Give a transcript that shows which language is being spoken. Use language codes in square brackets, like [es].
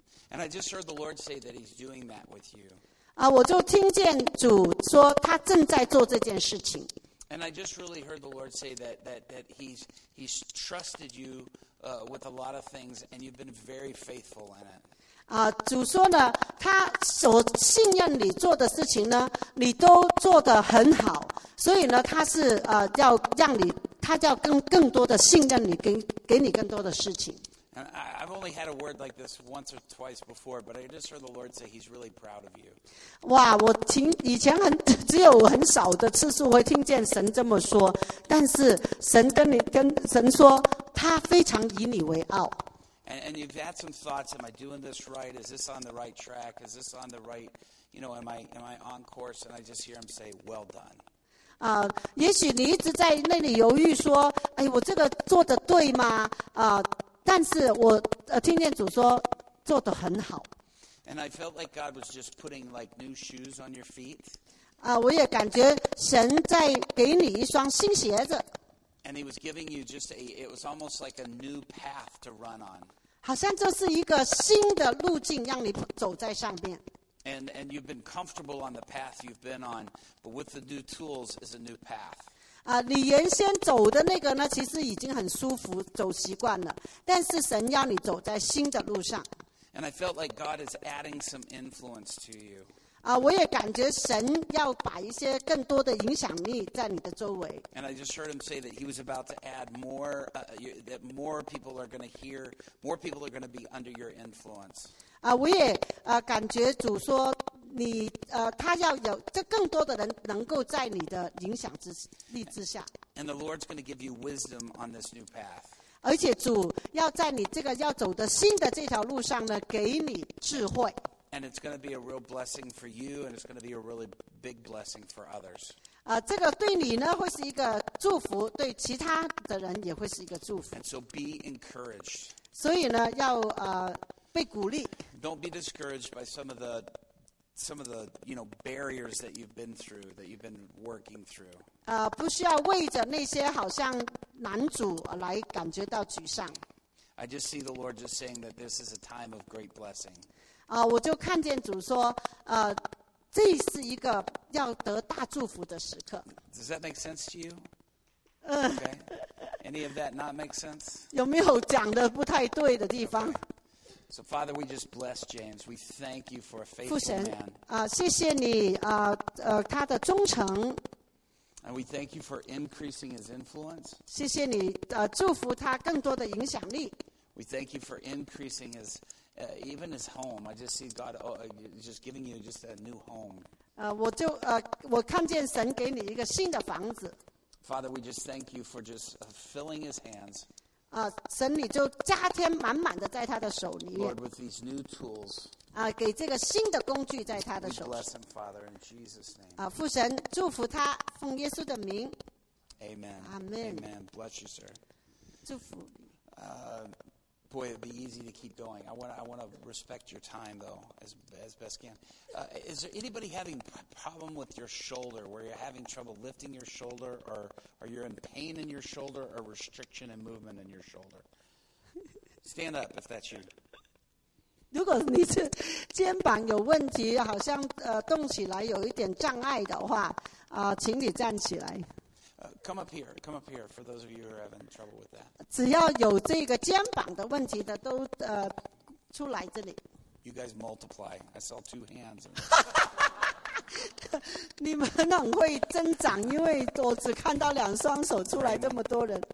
[en] And I just heard the Lord say that He's doing that with you. [zh] 啊，我就听见主说他正在做这件事情。 [en] And I just really heard the Lord say that He's trusted you. With a lot of things, and you've been very faithful in it. [zh] 啊，主说呢，他所信任你做的事情呢，你都做得很好。所以呢，他是要让你，他要更多的信任你，给你更多的事情。 [en] And I've only had a word like this once or twice before, but I just heard the Lord say He's really proud of you. [zh] 哇，我以前只有很少的次数会听见神这么说，但是神跟神说。他非常以你为傲。 [en] And you've had some thoughts, am I doing this right? Is this on the right track? Is this on the right, you know, am I on course? And I just hear him say, well done. [zh] 也许你一直在那里犹豫说，哎，我这个做得对吗？但是我听见主说，做得很好。 [en] And I felt like God was just putting like new shoes on your feet. [zh] 我也感觉神在给你一双新鞋子。 [en] And he was giving you just it was almost like a new path to run on. [zh] 好像这是一个新的路径让你走在上面。 [en] And you've been comfortable on the path you've been on, but with the new tools is a new path. [zh] 你原先走的那个呢，其实已经很舒服，走习惯了。但是神要你走在新的路上。 [en] And I felt like God is adding some influence to you. [zh] 我也感觉神要把一些更多的影响力在你的周围。 [en] And I just heard him say that he was about to add more, that more people are going to hear, more people are going to be under your influence. [zh] 我也感觉主说你他要有这更多的人能够在你的影响力之下。 [en] And the Lord's going to give you wisdom on this new path. [zh] 而且主要在你这个要走的新的这条路上呢，给你智慧。 [en] And it's going to be a real blessing for you, and it's going to be a really big blessing for others. [zh] 这个对你呢会是一个祝福，对其他的人也会是一个祝福。 [en] And so be encouraged. [zh] 所以呢，要被鼓励。 [en] Don't be discouraged by some of the you know barriers that you've been through, that you've been working through. [zh] 不需要为着那些好像难阻来感觉到沮丧。 [en] I just see the Lord just saying that this is a time of great blessing. [zh] 我就看见主说，这是一个要得大祝福的时刻。 [en] Does that make sense to you? Okay. Any of that not make sense? [zh] 有没有讲的不太对的地方？ [en] So Father, we just bless James. We thank you for a faithful man. [zh] 父神，谢谢你，他的忠诚。 [en] And we thank you for increasing his influence. [zh] 谢谢你，祝福他更多的影响力。 [en] We thank you for increasing his. Even his home, I just see God just giving you just a new home. [zh] 我看见神给你一个新的房子。 [en] Father, we just thank you for just filling his hands. [zh] 神你就加添满满的在他的手里面。 [en] Lord, with these new tools, [zh] 给这个新的工具在他的手里。 [en] We bless him, Father, in Jesus' name. [zh] 父神祝福他，奉耶稣的名。 [en] Amen. Amen. Amen. Bless you, sir. [zh] 祝福你。 [en] Boy, it'd be easy to keep going. I want to respect your time, though, as best can. Is there anybody having a problem with your shoulder, where you're having trouble lifting your shoulder, or you're in pain in your shoulder, or restriction in movement in your shoulder? Stand up if that's you. [zh] 如果你是肩膀有问题，好像动起来有一点障碍的话，请你站起来。 [en] Come up here for those of you who are having trouble with that. [zh] 只要有这个肩膀的问题的都出来这里。 [en] You guys multiply. I saw two hands. [zh] 你们很会增长，因为我只看到两双手出来这么多人。